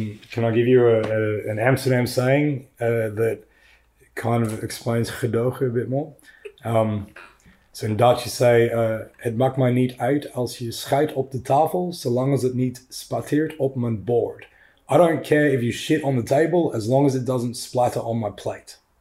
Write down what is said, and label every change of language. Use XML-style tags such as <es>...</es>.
<en>Can I give you an Amsterdam saying that kind of explains gedogen a bit more? So in Dutch you say,</en> <nl>het maakt mij niet uit als je schijt op de tafel,</nl> <en>so long as it</en> <nl>niet spatteert op mijn bord.</nl> <en>I don't care if you shit on the table, as long as it doesn't splatter on my plate.</en>